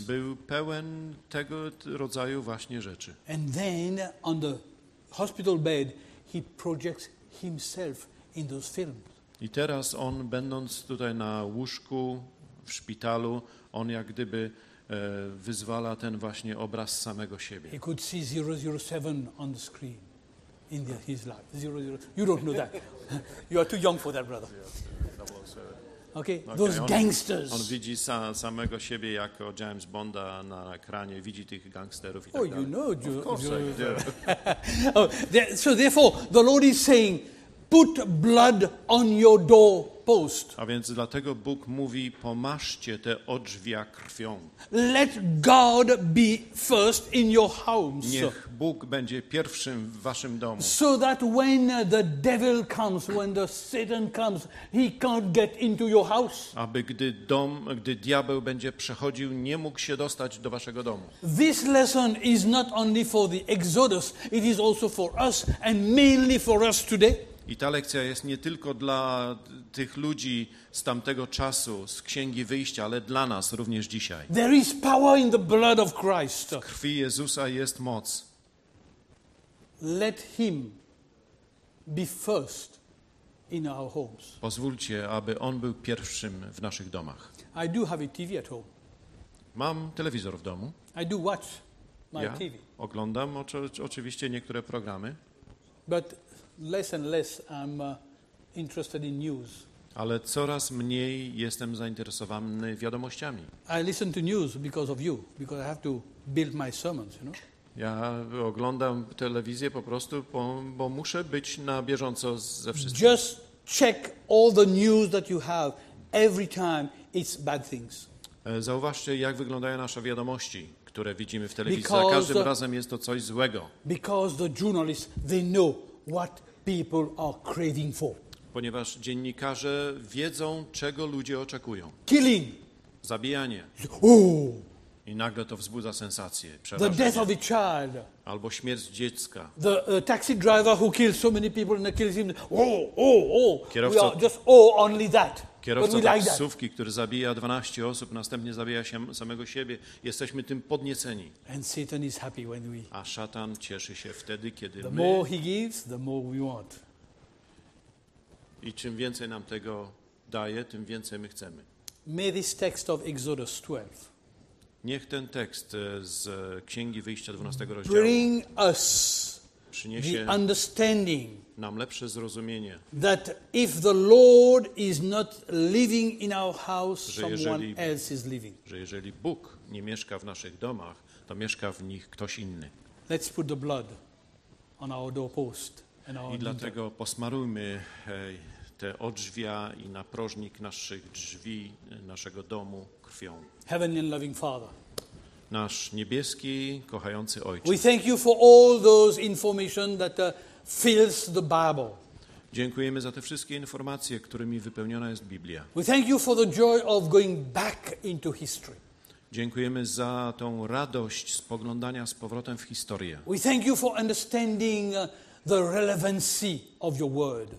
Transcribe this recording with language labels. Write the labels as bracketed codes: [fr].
[pl] Był pełen tego rodzaju właśnie rzeczy. [en] And then on the hospital bed he projects himself in those films. [pl] I teraz on, będąc tutaj na łóżku w szpitalu, on jak gdyby wyzwala ten właśnie obraz samego siebie. [en] He could see 007 on the screen. In his life. 00. You don't know that. You are too young for that, brother. Okay, those gangsters. [pl] On widzi samego siebie jako James Bonda na ekranie, widzi tych gangsterów i tak dalej. Oh, [en] you know. Of course. So therefore, the Lord is saying, put blood on your doorpost. [pl] A więc dlatego Bóg mówi, pomaszcie te odrzwia krwią. [en] Let God be first in your homes. [pl] Niech Bóg będzie pierwszym w waszym domu. [en] So that when the devil comes, when the Satan comes, he can't get into your house. [pl] Aby gdy diabeł będzie przechodził, nie mógł się dostać do waszego domu. [en] This lesson is not only for the Exodus, it is also for us and mainly for us today. [pl] I ta lekcja jest nie tylko dla tych ludzi z tamtego czasu, z Księgi Wyjścia, ale dla nas również dzisiaj. [en] There is power in the blood of Christ. [pl] W krwi Jezusa jest moc. [en] Let him be first in our homes. [pl] Pozwólcie, aby on był pierwszym w naszych domach. [en] I do have a TV at home. [pl] Mam telewizor w domu. [en] I do watch my TV. [pl] Oglądam oczywiście niektóre programy. [en] But less and less I'm interested in news. [pl] Ale coraz mniej jestem zainteresowany wiadomościami. [en] I listen to news because of you, because I have to build my sermons, you know. [pl] Ja oglądam telewizję po prostu, bo muszę być na bieżąco ze wszystkim. [en] Just check all the news that you have every time, it's bad things. [pl] Zauważcie, jak wyglądają nasze wiadomości, które widzimy w telewizji. Because, za każdym razem jest to coś złego. [en] Because the journalists, they know what people are craving for. [pl] Ponieważ dziennikarze wiedzą, czego ludzie oczekują. [en] Killing. [pl] Zabijanie. Ooh. I nagle to wzbudza sensację, przerażenie. [en] The death of a child. [pl] Albo śmierć dziecka. [en] The taxi driver who kills so many people and kills him. Oh, oh, oh. [pl] Kierowca, [en] we are just oh only that. [pl] Kierowca taksówki, który zabija 12 osób, następnie zabija się samego siebie. Jesteśmy tym podnieceni. [en] And Satan is happy when we. [pl] A szatan cieszy się wtedy, kiedy [en] the [pl] my. [en] The more he gives, the more we want. [pl] I czym więcej nam tego daje, tym więcej my chcemy. [en] May this text of Exodus 12. [pl] Niech ten tekst z Księgi Wyjścia 12 rozdziału [en] bring us [pl] przyniesie [en] the understanding [pl] nam lepsze zrozumienie, [en] that if the Lord is not living in our house, someone else is living. [pl] Że jeżeli Bóg nie mieszka w naszych domach, to mieszka w nich ktoś inny. [en] Let's put the blood on our doorpost and our [pl] I dlatego posmarujmy te odrzwia i naprożnik naszych drzwi, naszego domu krwią. [en] Heavenly and loving Father. [pl] Nasz niebieski, kochający Ojcze. [en] We thank you for all those information that fills the Bible. [pl] Dziękujemy za te wszystkie informacje, którymi wypełniona jest Biblia. [en] We thank you for the joy of going back into history. [pl] Dziękujemy za tą radość spoglądania z powrotem w historię. [en] We thank you for understanding the relevancy of your word.